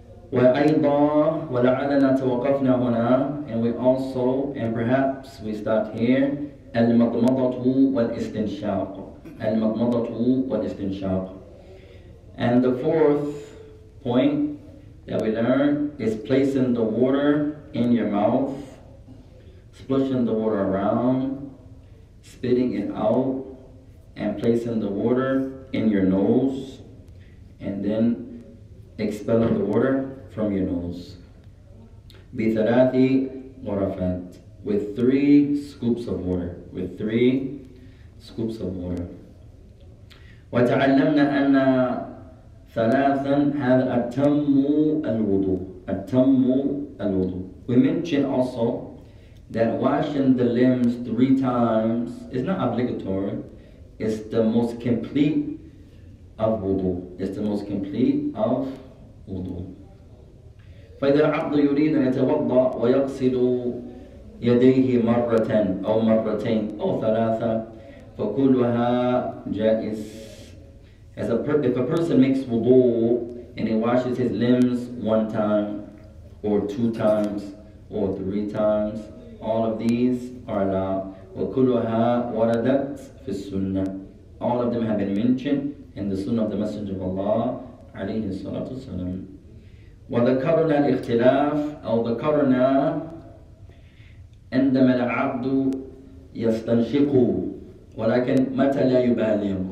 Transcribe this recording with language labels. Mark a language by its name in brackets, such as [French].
[Arabic] وأيضا ولعلنا توقفنا هنا. [English] And we also, and perhaps we start here. [Arabic] المضمضة والاستنشاق. المضمضة والاستنشاق. [English] And the fourth point that we learn is placing the water in your mouth, splashing the water around, spitting it out, and placing the water in your nose, and then expelling the water from your nose. [Arabic] بثلاثي غرفات. [English] With three scoops of water. With three scoops of water. [Arabic] وتعلمنا أن ثلاثا هذا أتم الوضوء. أتم الوضوء. [English] We mentioned also that washing the limbs three times is not obligatory. It's the most complete of wudu. It's the most complete of wudu. [Arabic] فإذا العبد يريد أن يتوضأ ويغسل يديه مرة أو مرتين أو ثلاثة فكلها جائز. [English] If a person makes wudu and he washes his limbs one time or two times or three times, all of these are allowed. [Arabic] وكلها وردت في السنة. [English] All of them have been mentioned in the Sunnah of the Messenger of Allah عليه الصلاة والسلام. [Arabic] وذكرنا الاختلاف أو ذكرنا عندما العبد يستنشق ولكن متى لا يبالغ.